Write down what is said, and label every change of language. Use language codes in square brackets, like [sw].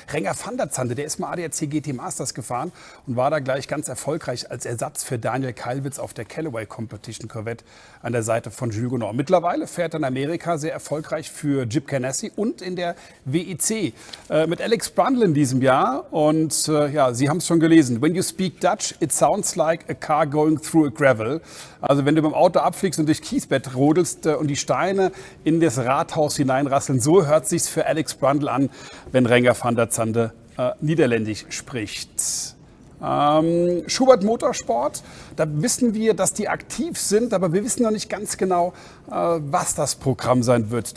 [de] Renger van der Zande, der ist mal ADAC GT Masters gefahren und war da gleich ganz erfolgreich als Ersatz für Daniel Kalwitz auf der Callaway Competition. Corvette an der Seite von Jules Gounon. Mittlerweile fährt er in Amerika sehr erfolgreich für Chip Ganassi und in der WEC mit Alex Brundle in diesem Jahr. Und ja, Sie haben es schon gelesen. [en] When you speak Dutch, it sounds like a car going through a gravel. [de] Also wenn du beim Auto abfliegst und durch Kiesbett rodelst und die Steine in das Rathaus hineinrasseln, so hört sich's für Alex Brundle an, wenn Renger van der Zande niederländisch spricht. Schubert Motorsport, da wissen wir, dass die aktiv sind, aber wir wissen noch nicht ganz genau, was das Programm sein wird.